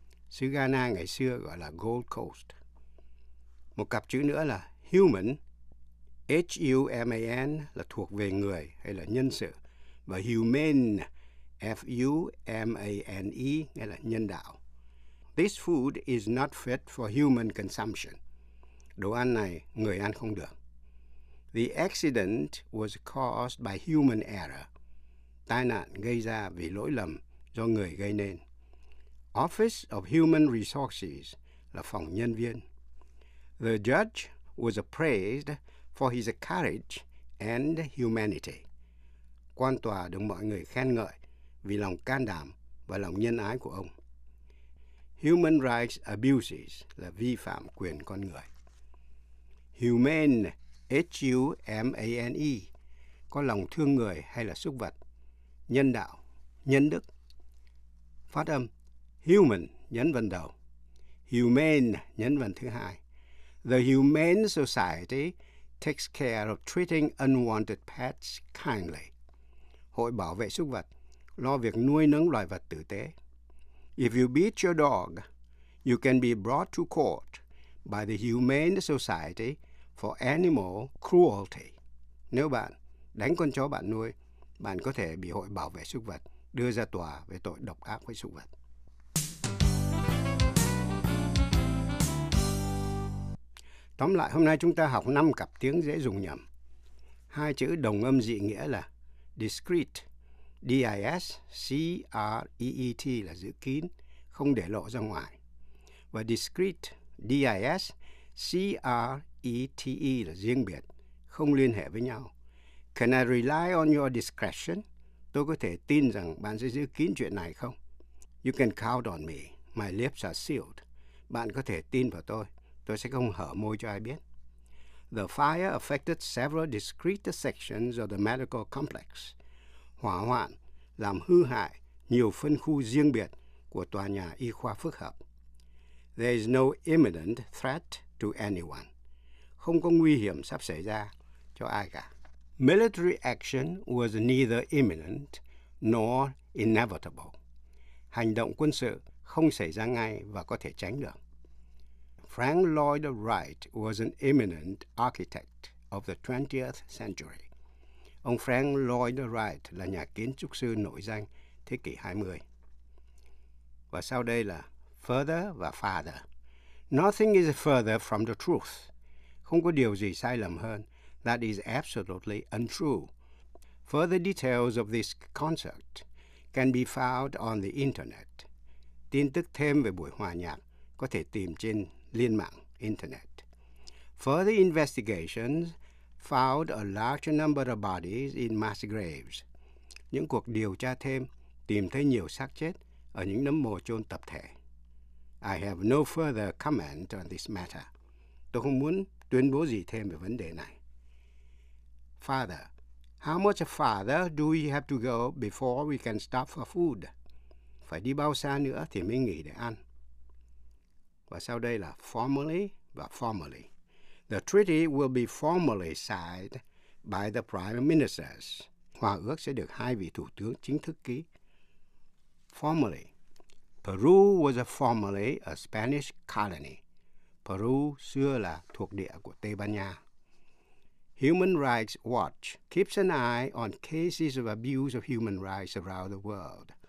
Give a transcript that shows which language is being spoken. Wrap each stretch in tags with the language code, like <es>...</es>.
<vi>Xứ Ghana ngày xưa gọi là Gold Coast. Một cặp chữ nữa là human. H-U-M-A-N là thuộc về người hay là nhân sự. Và humane, F-U-M-A-N-E, nghĩa là nhân đạo.</vi> <en>This food is not fit for human consumption.</en> <vi>Đồ ăn này người ăn không được.</vi> <en>The accident was caused by human error.</en> <vi>Tai nạn gây ra vì lỗi lầm do người gây nên. Office of Human Resources là phòng nhân viên.</vi> <en>The judge was praised for his courage and humanity.</en> <vi>Quan tòa được mọi người khen ngợi vì lòng can đảm và lòng nhân ái của ông.</vi> <en>Human rights abuses</en> <vi>là vi phạm quyền con người. Humane, H-U-M-A-N-E, có lòng thương người hay là súc vật. Nhân đạo, nhân đức. Phát âm, human, nhấn vần đầu. Humane, nhấn vần thứ hai.</vi> <en>The Humane Society takes care of treating unwanted pets kindly.</en> <vi>Hội bảo vệ súc vật lo việc nuôi nấng loài vật tử tế.</vi> <en>If you beat your dog, you can be brought to court by the Humane Society for Animal Cruelty.</en> <vi>Nếu bạn đánh con chó bạn nuôi, bạn có thể bị hội bảo vệ súc vật đưa ra tòa về tội độc ác với súc vật. Tóm lại, hôm nay chúng ta học 5 cặp tiếng dễ dùng nhầm. Hai chữ đồng âm dị nghĩa là discreet, D-I-S-C-R-E-E-T là giữ kín, không để lộ ra ngoài. Và discreet, D-I-S-C-R-E-T-E là riêng biệt, không liên hệ với nhau.</vi> <en>Can I rely on your discretion?</en> <vi>Tôi có thể tin rằng bạn sẽ giữ kín chuyện này không?</vi> <en>You can count on me. My lips are sealed.</en> <vi>Bạn có thể tin vào tôi. Tôi sẽ không hở môi cho ai biết.</vi> <en>The fire affected several discrete sections of the medical complex.</en> <vi>Hỏa hoạn làm hư hại nhiều phân khu riêng biệt của tòa nhà y khoa phức hợp.</vi> <en>There is no imminent threat to anyone.</en> <vi>Không có nguy hiểm sắp xảy ra cho ai cả.</vi> <en>Military action was neither imminent nor inevitable.</en> <vi>Hành động quân sự không xảy ra ngay và có thể tránh được.</vi> <en>Frank Lloyd Wright was an eminent architect of the 20th century.</en> <vi>Ông Frank Lloyd Wright là nhà kiến trúc sư nổi danh thế kỷ 20. Và sau đây là further và farther.</vi> <en>Nothing is further from the truth.</en> <vi>Không có điều gì sai lầm hơn.</vi> <en>That is absolutely untrue. Further details of this concert can be found on the internet.</en> <vi>Tin tức thêm về buổi hòa nhạc có thể tìm trên liên mạng internet.</vi> <en>Further investigations found a large number of bodies in mass graves.</en> <vi>Những cuộc điều tra thêm tìm thấy nhiều xác chết ở những nấm mồ chôn tập thể.</vi> <en>I have no further comment on this matter.</en> <vi>Tôi không muốn tuyên bố gì thêm về vấn đề này.</vi> <en>Father, how much farther do we have to go before we can stop for food?</en> <vi>Phải đi bao xa nữa thì mới nghỉ để ăn? Và sau đây là formally và formally.</vi> <en>The treaty will be formally signed by the prime ministers.</en> <vi>Hòa ước sẽ được hai vị thủ tướng chính thức ký. Formally.</vi> <en>Peru was formally a Spanish colony.</en> <vi>Peru xưa là thuộc địa của Tây Ban Nha.</vi> <en>Human Rights Watch keeps an eye on cases of abuse of human rights around the world.</en>